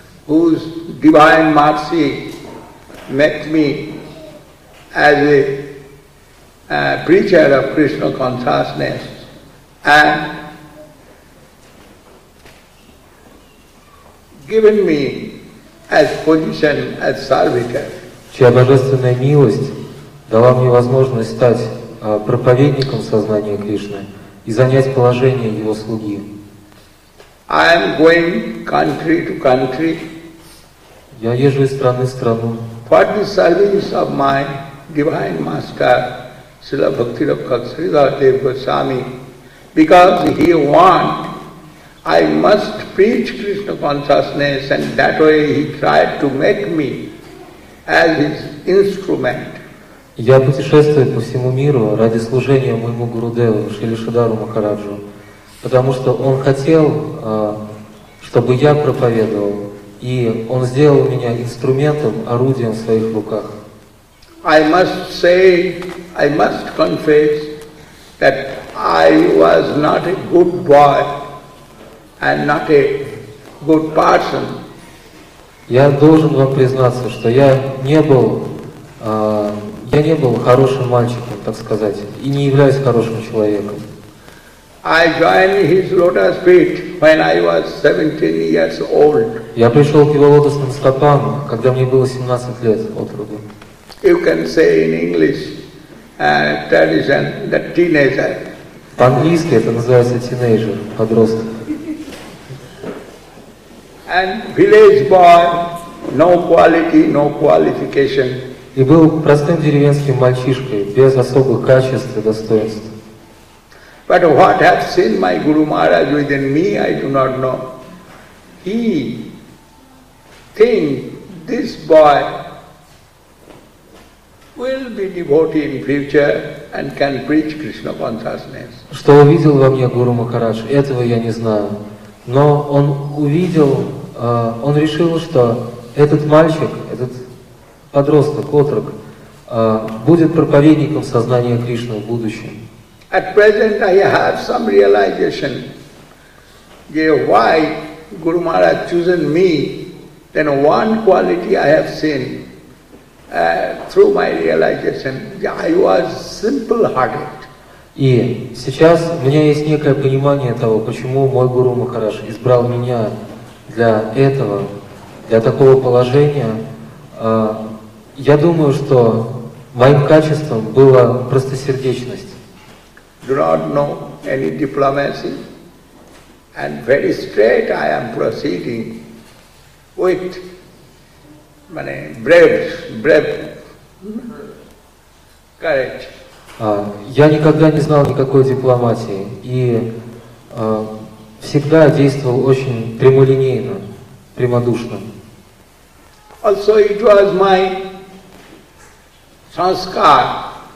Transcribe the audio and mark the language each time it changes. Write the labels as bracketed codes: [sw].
[en] Whose divine mercy met me as a preacher of Krishna consciousness and given me as position as servitor. [ru] Чья божественная милость дала мне возможность стать проповедником сознания Кришны и занять положение его слуги. [en] I am going country to country. [ru] Я езжу из страны в страну. [en] For the service of my divine master, Srila Bhaktivinoda Sridhar Goswami, because he want, I must preach Krishna consciousness, and that way he tried to make me as his instrument. [ru] Я путешествую по всему миру ради служения моему Гурудеву Шрили Шридхару Махараджу, потому что он хотел, чтобы я проповедовал. И он сделал меня инструментом, орудием в своих руках. [en] I must say, I must confess that I was not a good boy and not a good person. [ru] Я должен вам признаться, что я не был хорошим мальчиком, так сказать, и не являюсь хорошим человеком. [en] I joined his lotus feet when I was 17 years old. [ru] Я пришел к его лотосным стопам, когда мне было 17 лет от роду. [en] You can say in English tradition the teenager. [ru] По-английски это называется teenager, подросток. [en] And village boy, no quality, no qualification. [ru] И был простым деревенским мальчишкой без особых качеств и достоинств. [en] But what has seen my Guru Maharaj within me, I do not know. He thinks this boy will be devotee in future and can preach Krishna consciousness. [ru] Что увидел во мне Гуру Махарадж, этого я не знаю. Но он увидел, он решил, что этот мальчик, этот подросток, отрок, будет проповедником сознания Кришны в будущем. [en] At present, I have some realization. Why Guru Maharaj chosen me? Then one quality I have seen through my realization. I was simple-hearted. [ru] И сейчас у меня есть некое понимание того, почему мой Гуру Махарадж избрал меня для этого, для такого положения. Я думаю, что моим качеством была простосердечность. [en] Do not know any diplomacy, and very straight I am proceeding with my brave courage. [ru] Я никогда не знал никакой дипломатии и всегда действовал очень прямолинейно, прямодушно. [en] Also, it was my sanskar.